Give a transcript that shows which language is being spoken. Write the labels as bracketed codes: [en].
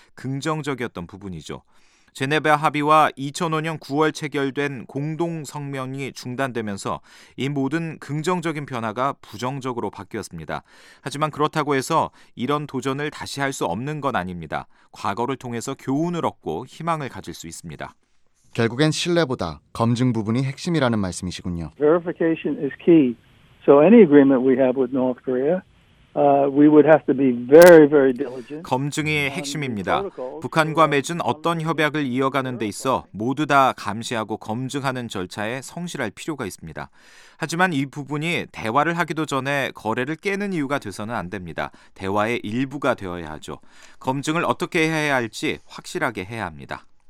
[ko] 긍정적이었던 부분이죠. 제네바 합의와 2005년 9월 체결된 공동 성명이 중단되면서 이 모든 긍정적인 변화가 부정적으로 바뀌었습니다. 하지만 그렇다고 해서 이런 도전을 다시 할 수 없는 건 아닙니다. 과거를 통해서 교훈을 얻고 희망을 가질 수 있습니다. 결국엔 신뢰보다 검증 부분이 핵심이라는 말씀이시군요. [en] Verification is key. So any agreement we have with North Korea, we would have to be very, very diligent. [ko] 검증이 핵심입니다. 북한과 맺은 어떤 협약을 이어가는 데 있어 모두 다 감시하고 검증하는 절차에 성실할 필요가 있습니다. 하지만 이 부분이 대화를 하기도 전에 거래를 깨는 이유가 돼서는 안 됩니다. 대화의 일부가 되어야 하죠. 검증을 어떻게 해야 할지 확실하게 해야 합니다.